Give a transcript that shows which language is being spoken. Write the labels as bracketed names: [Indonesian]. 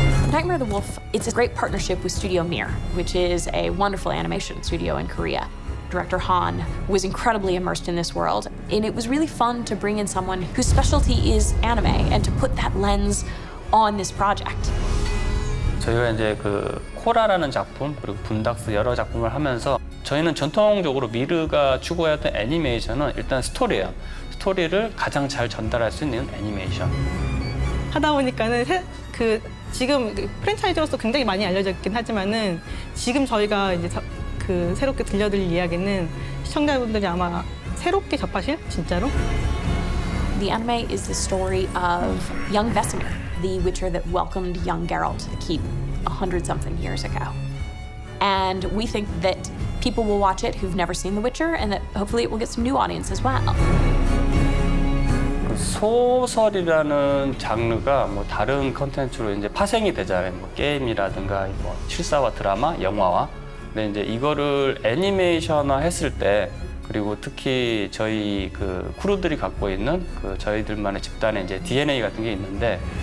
[English] Nightmare of the Wolf, it's a great partnership with Studio Mir, which is a wonderful animation studio in Korea. Director Han was incredibly immersed in this world, and it was really fun to bring in someone whose specialty is anime and to put that lens on this project. [Korean] 저희가 이제 그 코라라는 작품 그리고 분닥스 여러 작품을 하면서 저희는 전통적으로 미르가 추구했던 애니메이션은 일단 스토리예요. 스토리를 가장 잘 전달할 수 있는 애니메이션. 하다 보니까는 그 지금 프랜차이즈로서 굉장히 많이 알려져 있긴 하지만은 지금 저희가 이제 그 새롭게 들려드릴 이야기는 시청자분들이 아마 새롭게 접하실 진짜로. [English] The anime is the story of young Vesemir, the Witcher that welcomed young Geralt to the Keep 100-something years ago. And we think that people will watch it who've never seen The Witcher, and that hopefully it will get some new audience as well. [Korean] 소설이라는 장르가 뭐 다른 콘텐츠로 이제 파생이 되잖아요. 뭐 게임이라든가 뭐 실사와 드라마, 영화와. 근데 이제 이거를 애니메이션화 했을 때 그리고 특히 저희 그 크루들이 갖고 있는 그 저희들만의 집단의 이제 DNA 같은 게 있는데